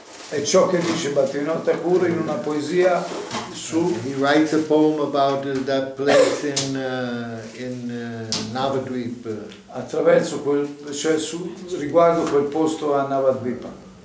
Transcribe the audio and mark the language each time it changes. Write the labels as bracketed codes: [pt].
[it] e ciò che dice Bhaktivinoda Thakur in una poesia su [en] he writes a poem about that place in Navadvip [it] attraverso quel cioè su riguardo quel posto a Navadvip.